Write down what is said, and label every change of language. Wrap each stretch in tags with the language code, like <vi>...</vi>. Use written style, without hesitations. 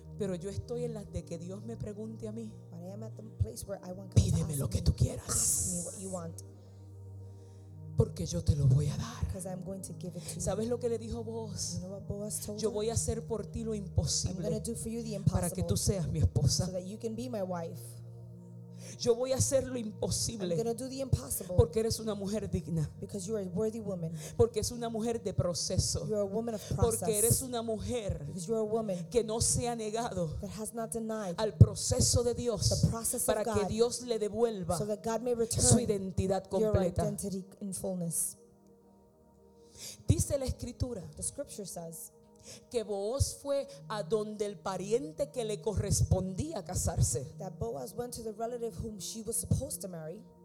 <es>Pero yo estoy en las de que Dios me pregunte a mí.</es> <en>But I am at the place where I want God</en> <es>pídeme</es> <en>to</en> <es>lo</es> <en>ask</en> <es>que</es> <en>me.</en> <es>Tú quieras.</es> <en>Ask me what you want.</en> <es>Porque yo te lo voy a dar.</es> <en>Because I'm going to give it to you.</en> <es>¿Sabes lo que le dijo Boaz?</es> <en>You know what Boaz told</en> <es>yo voy a hacer por ti lo imposible.</es> <en>I'm going to do for you the impossible.</en> <es>Para que tú seas mi esposa.</es> <en>So that you can be my wife.</en> <es>Yo voy a hacer lo imposible.</es> <en>I'm going to do the impossible.</en> <es>Porque eres una mujer digna.</es> <en>Because you are a worthy woman.</en> <es>Porque es una mujer de proceso.</es> <en>You are a woman of process.</en> <es>Porque eres una mujer.</es> <en>Because you are a woman.</en> <es>Que no se ha negado.</es> <en>That has not denied.</en> <es>Al proceso de Dios.</es> <en>The process of</en> <es>para</es> <en>God.</en> <es>Para que Dios le devuelva.</es> <en>So that God may return.</en> <es>Su identidad completa.</es> <en>Your identity in fullness.</en> <es>Dice la escritura.</es> <en>The scripture says.</en> <es>Que Boaz fue a donde el pariente que le correspondía casarse.</es> <en>That Boaz went to the relative whom she was supposed to marry.</en>